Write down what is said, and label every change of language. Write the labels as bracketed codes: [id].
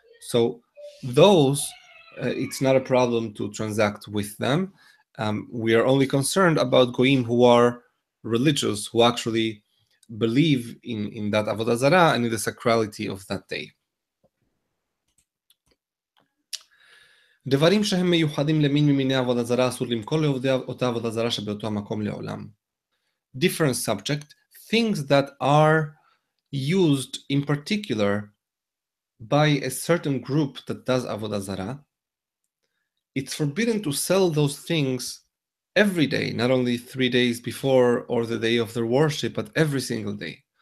[en] So those, it's not a problem to transact with them. We are only concerned about goyim who are religious, who actually believe in that Avodah Zarah and in the sacrality of that day. [he] דברים שהם מיוחדים למין ממיני עבודה זרה אסור למכור לעובדי אותה עבודה זרה שבאותו המקום לעולם. [en] Different subject, things that are used in particular by a certain group that does עבודה זרה, it's forbidden to sell those things every day, not only 3 days before or the day of their worship, but every single day.